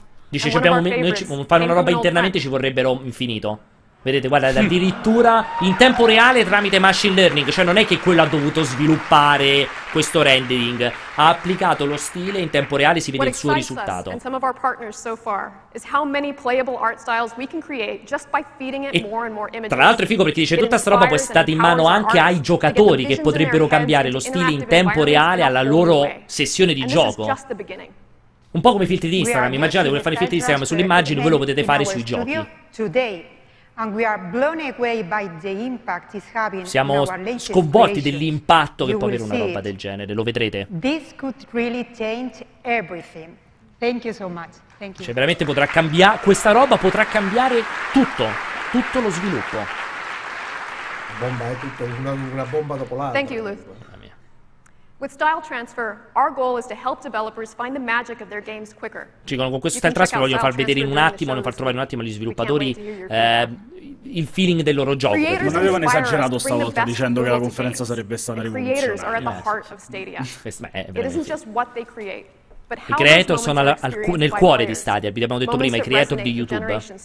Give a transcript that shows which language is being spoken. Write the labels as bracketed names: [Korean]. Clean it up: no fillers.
[Italian] Dice, noi fare una roba internamente ci vorrebbero infinito. Vedete, guarda, addirittura in tempo reale tramite machine learning. Cioè non è che quello ha dovuto sviluppare questo rendering, ha applicato lo stile in tempo reale, si vede il suo risultato. [English] And some of our partners so far is how many playable art styles we can create just by feeding it more and more images. [Italian] Tra l'altro è figo perché dice tutta sta roba può essere data in mano anche ai giocatori che potrebbero cambiare lo stile in tempo reale alla loro sessione di gioco. Un po' come i filtri di Instagram, immaginate come fare i filtri di Instagram sull'immagine, voi lo potete fare sui giochi. [English] And we are blown away by the impact it's having. [Italian] Siamo sconvolti dell'impatto che può avere una roba del genere, lo vedrete. [English] This could really change everything. Thank you so much. Thank you. [Italian] Cioè veramente potrà cambiare, questa roba potrà cambiare tutto, tutto lo sviluppo. Bomba è tutto, una bomba dopo l'altra. [English] Thank you, Luth. With style transfer, our goal is to help developers find the magic of their games quicker. [Italian] Ci dicono con questo style transfer voglio far vedere in un attimo, voglio far trovare in un attimo agli sviluppatori il feeling del loro gioco. Non avevano esagerato stavolta dicendo che la conferenza sarebbe stata rivoluzionaria. I creator sono nel cuore di Stadia, vi abbiamo detto prima, i creator di YouTube.